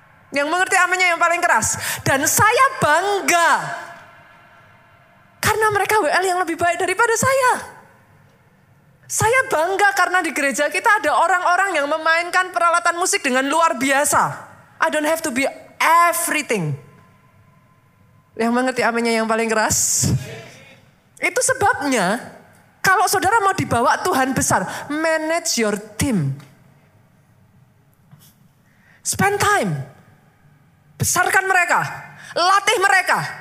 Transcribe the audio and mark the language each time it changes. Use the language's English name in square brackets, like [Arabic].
[Indonesian] Yang mengerti aminnya yang paling keras. Dan saya bangga. Karena mereka WL yang lebih baik daripada saya. Saya bangga karena di gereja kita ada orang-orang yang memainkan peralatan musik dengan luar biasa. [English] I don't have to be everything. [Indonesian] Yang mengerti aminnya yang paling keras. Itu sebabnya kalau saudara mau dibawa Tuhan besar, [English] manage your team. Spend time. [Indonesian] Besarkan mereka. Latih mereka.